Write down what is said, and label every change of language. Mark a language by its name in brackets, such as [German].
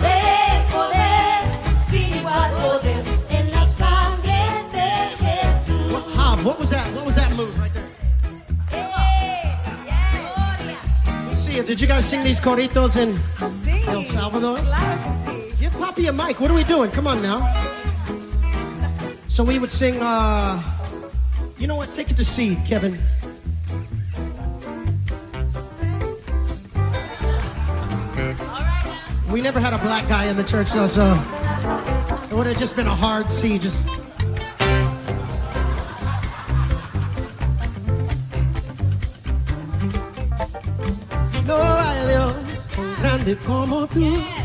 [Spanish] Hay poder, sin igual poder en la sangre de Jesús. [English] What was that? What was that move right there? Hey, yes. Gloria. Did you guys sing these coritos in El Salvador? [Spanish] Claro que sí. [English] Give Papi a mic. What are we doing? Come on now. So we would sing, you know what? Take it to seed, Kevin. We never had a black guy in the church, though, so it would have just been a hard seed. [Spanish] Just no hay Dios tan grande como tú.